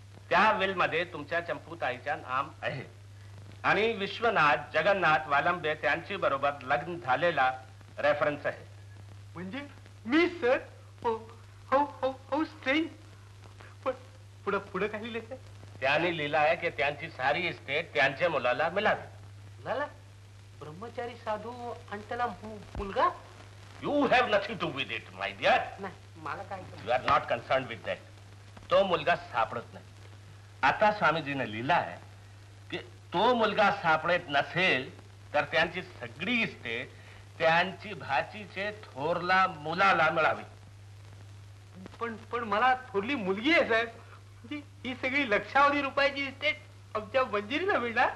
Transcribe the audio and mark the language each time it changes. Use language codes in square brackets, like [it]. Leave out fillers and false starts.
[mr] त्या विलमध्ये तुमच्या चंपूताईचा नाम आहे आणि विश्वनाथ जगन्नाथ वालंबे त्यांची बरोबर लग्न झालेला रेफरन्स आहे. म्हणजे मी सर? हो हो हो हो. स्ट्रेंज, पण पुढे पुढे काय लिहिले? त्यांनी लिहिलं आहे की त्यांची सारी इस्टेट त्यांच्या मुलाला मिळावी. मुलाला? ब्रह्मचारी साधू आणि त्याला मुलगा? [en] You have nothing to do with it, my dear. You are not concerned with that. [mr] तो मुलगा सापडत नाही. आता स्वामीजीने लिहिलं आहे की तो मुलगा सापडत नसेल तर त्यांची सगळी इस्टेट त्यांची भाचीचे थोरला मुलाला मिळावी. पण पण मला थोरली मुलगी आहे साहेब. म्हणजे ही सगळी लक्षावधी रुपयाची इस्टेट आमच्या मंजिरीला मिळणार?